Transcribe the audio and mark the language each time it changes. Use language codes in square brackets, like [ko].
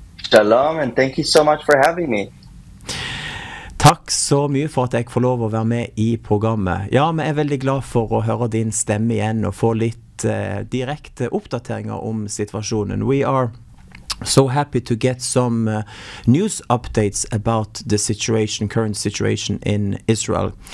[en] Shalom and thank you so much for having me. [no] Takk så mye for at jeg får lov å være med i programmet. Ja, vi er veldig glad for å høre din stemme igjen og få litt direkte oppdateringer om situasjonen. [en] We are so happy to get some news updates about the situation, current situation in Israel.